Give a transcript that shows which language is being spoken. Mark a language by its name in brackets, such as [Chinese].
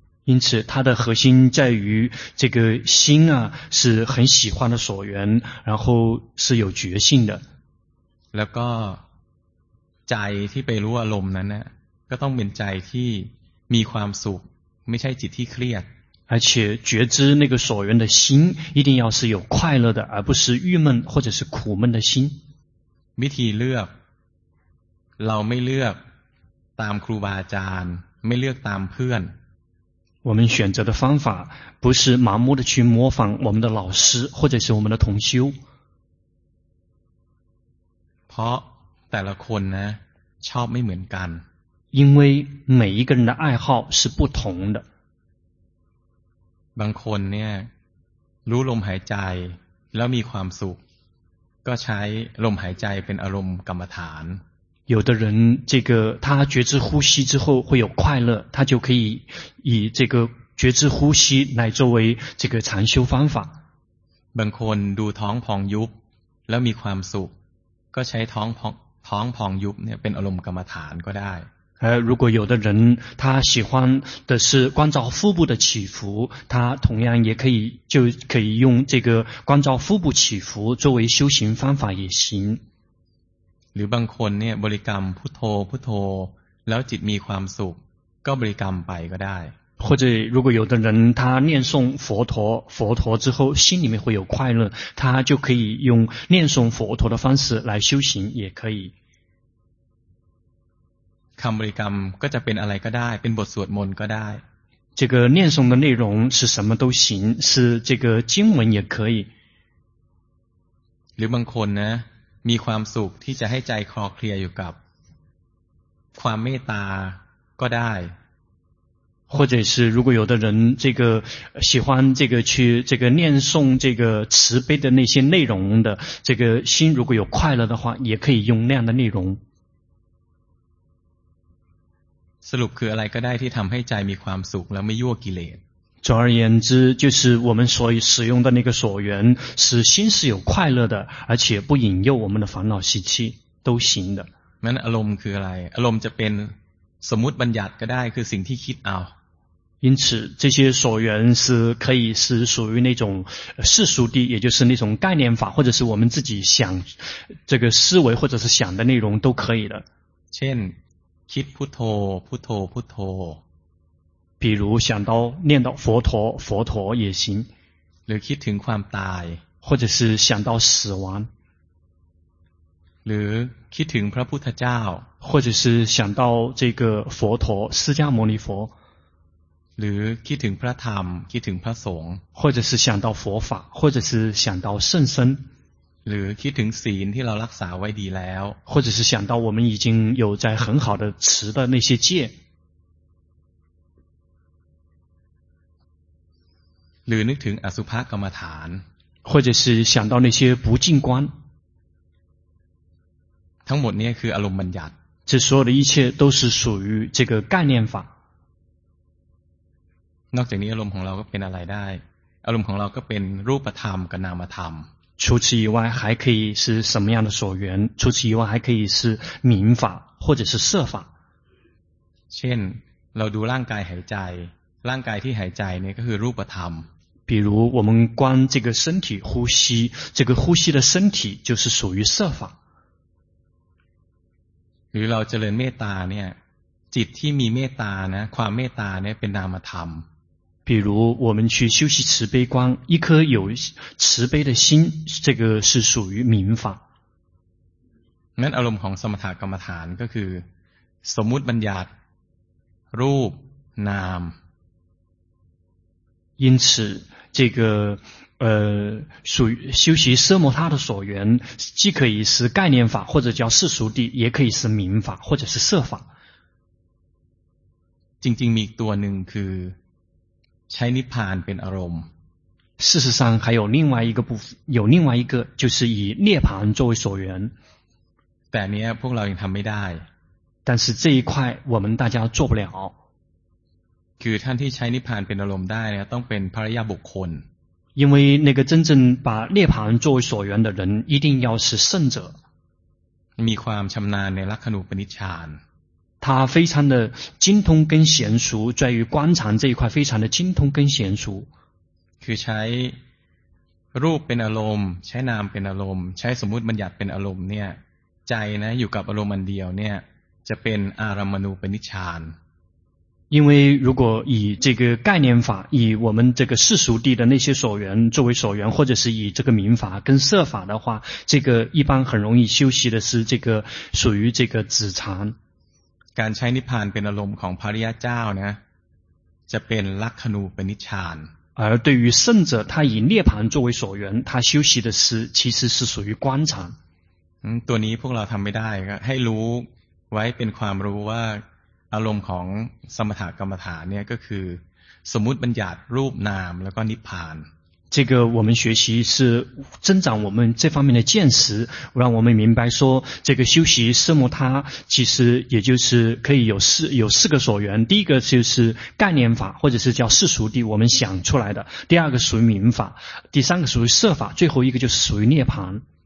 [Chinese] 因此它的核心在于这个心啊是很喜欢的所缘然后是有觉性的 [Thai] แล้วก็ใจที่ไปรู้อารมณ์นั้นนะก็ต้องเป็นใจที่มีความสุขไม่ใช่จิตที่เครียด [Chinese] 而且觉知那个所缘的心一定要是有快乐的而不是郁闷或者是苦闷的心 [Thai] วิธีเลือกเราไม่เลือกตามครูบาอาจารย์ไม่เลือกตามเพื่อน [Chinese] 我们选择的方法不是盲目的去模仿我们的老师或者是我们的同修 [Thai] เพราะแต่ละคนนะชอบไม่เหมือนกัน [Chinese] 因为每一个人的爱好是不同的 [Thai] บางคนเนี่ยรู้ลมหายใจแล้วมีความสุขก็ใช้ลมหายใจเป็นอารมณ์กรรมฐาน [Chinese] 有的人这个他觉知呼吸之后会有快乐他就可以以这个觉知呼吸来作为这个禅修方法 [Thai] บางคนดูท้องพองยุบแล้วมีความสุขก็ใช้ท้องพองยุบเนี่ยเป็นอารมณ์กรรมฐานก็ได้ [Chinese] 如果有的人他喜欢的是关照腹部的起伏他同样也可以就可以用这个关照腹部起伏作为修行方法也行 [Thai] หรือบางคนเนี่ยบริกรรมพุทโธพุทโธแล้วจิตมีความสุขก็บริกรรมไปก็ได้ [Chinese] 或者如果有的人他念诵佛陀佛陀之后心里面会有快乐他就可以用念诵佛陀的方式来修行也可以 [Thai] คำบริกรรมก็จะเป็นอะไรก็ได้เป็นบทสวดมนต์ก็ได้ [Chinese] 这个念诵的内容是什么都行是这个经文也可以 [Thai] หรือบางคนนะมีความสุขที่จะให้ใจคลอเคลียร์อยู่กับความเมตตาก็ได้ [Chinese] 或者是如果有的人这个喜欢这个去这个念诵这个慈悲的那些内容的这个心如果有快乐的话也可以用那样的内容 [Thai] สรุปคืออะไรก็ได้ที่ทำให้ใจมีความสุขแล้วไม่ยั่วกิเลส [Chinese] 总而言之就是我们所使用的那个所缘使心是有快乐的而且不引诱我们的烦恼习气都行的 [Thai] นั้นอารมณ์คืออะไรอารมณ์จะเป็นสมมุติบัญญัติก็ได้คือสิ่งที่คิดเอา [Chinese] 因此这些所缘是可以是属于那种世俗地也就是那种概念法或者是我们自己想这个思维或者是想的内容都可以的 [Thai] เช่นคิดพุทโธพุทโธพุทโธ [Chinese] 比如想到念到佛陀佛陀也行 [Thai] หรือคิดถึงความตาย [Chinese] 或者是想到死亡 [Thai] หรือคิดถึงพระพุทธเจ้า [Chinese] 或者是想到这个佛陀释迦牟尼佛 [Thai] หรือคิดถึงพระธรรมคิดถึงพระสงฆ์ [Chinese] 或者是想到佛法或者是想到圣僧 [Thai] หรือคิดถึงศีลที่เรารักษาไว้ดีแล้ว [Chinese] 或者是想到我们已经有在很好的持的那些戒 [Thai] หรือนึกถึงอสุภกรรมฐาน [Chinese] 或者是想到那些不净观 [Thai] ทั้งหมดนี้คืออารมณ์บัญญัติ [Chinese] 这所有的一切都是属于这个概念法 [Thai] นอกจากนี้อารมณ์ของเราก็เป็นอะไรได้อารมณ์ของเราก็เป็นรูปธรรมกับนามธรรม [Chinese] 除此以外还可以是什么样的所缘除此以外还可以是明法或者是色法 [Thai] เช่นเราดูร่างกายหายใจร่างกายที่หายใจเนี่ยก็คือรูปธรรม [Chinese] 比如我们观这个身体呼吸这个呼吸的身体就是属于色法 [Thai] หรือเราเจริญเมตตาเนี่ยจิตที่มีเมตตานะความเมตตาเนี่ยเป็นนามธรรม [Chinese] 比如我们去修习慈悲观一颗有慈悲的心这个是属于明法 [Thai] งั้นอารมณ์ของสมถกรรมฐานก็คือสมมุติบัญญัติรูปนาม [Chinese] 因此这个属于修习奢摩他的所缘既可以是概念法或者叫世俗地也可以是明法或者是色法 [Thai] จริงๆมีตัวหนึ่งคือใช้นิพพานเป็นอารมณ์ [Chinese] 事实上还有另外一个部分有另外一个就是以涅槃作为所缘 [Thai] แต่เนี้ยพวกเรายังทำไม่ได้ [Chinese] 但是这一块我们大家做不了 [Thai] คือท่านที่ใช้นิพพานเป็นอารมณ์ได้เนี่ยต้องเป็นพระอริยบุคคล [Chinese] 因为那个真正把涅槃作为所缘的人一定要是圣者 [Thai] มีความชำนาญในลักขณูปนิชฌาน [Chinese] 他非常的精通跟娴熟在于观禅这一块非常的精通跟娴熟 [Thai] คือใช้รูปเป็นอารมณ์ใช้นามเป็นอารมณ์ใช้สมมุติบัญญัติเป็นอารมณ์เนี่ยใจนะอยู่กับอารมณ์อันเดียวเนี่ยจะเป็นอารัมมณูปนิชฌาน [Chinese] 因为如果以这个概念法以我们这个世俗地的那些所缘作为所缘或者是以这个明法跟色法的话这个一般很容易修习的是这个属于这个止禅 [Thai] การใช้นิพพานเป็นอารมณ์ของพระอริยเจ้านะจะเป็นลักขณูปนิชฌาน [Chinese] 而对于圣者他以涅槃作为所缘他修习的是其实是属于观禅 [Thai] ตัวนี้พวกเราทำไม่ได้ให้รู้ไว้เป็นความรู้ว่าอารมณ์ของสมถกรรมฐานเนี่ยก็คือสมมุติบัญญัติรูปนามแล้วก็นิพพาน [Chinese] 这个我们学习是增长我们这方面的见识让我们明白说这个修习奢摩他其实也就是可以有四个所缘第一个就是概念法或者是叫世俗地我们想出来的第二个属于明法第三个属于色法最后一个就是属于涅槃